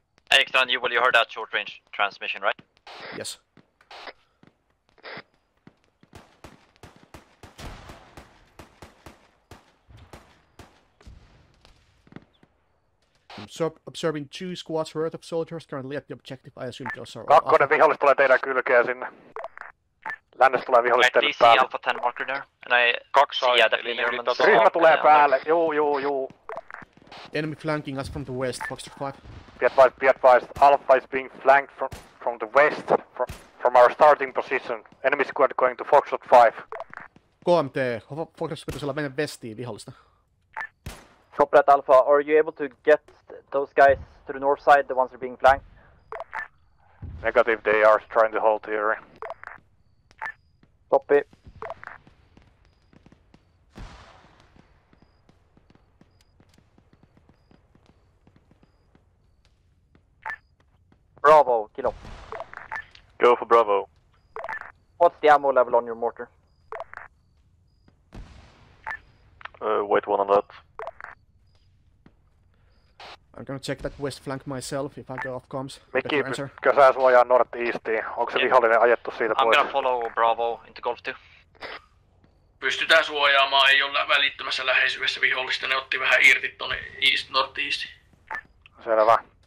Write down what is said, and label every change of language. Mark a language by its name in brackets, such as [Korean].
[English] Ekton, you heard that short range transmission, right? Yes. Observing two squads worth of soldiers currently at the objective, I assume those are... [Finnish] Kakkonen vihollis tulee teidän kylkeen sinne. Lännessä tulee vihollis teille päälle. [English] I see Alpha 10 marker there, and I see that [Finnish] the ryhmä tulee päälle, juu. [English] Enemy flanking us from the west, Foxtrot 5. Be advised, Alpha is being flanked from the west, from our starting position. Enemy squad going to Foxtrot 5. [Finnish] KMT, Foxtrot pitäisi olla meidän westiin vihollista. [English] Copy that, Alpha. Are you able to get those guys to the north side, the ones that are being flanked? Negative, they are trying to hold here. Copy. Bravo, kilo. Go for Bravo. What's the ammo level on your mortar? Wait one on that. I'm gonna check that west flank myself if I go off comms. [Finnish] Mikki, kyllä sä suojaa northeastiin. Onko se vihollinen ajettu siitä pois? [English] I'm gonna follow Bravo into Golf 2. [Finnish] Pystytään suojaamaan, ei ole välittömässä läheisyydessä vihollista. Ne otti vähän irti tonne east northeastiin. Selvä.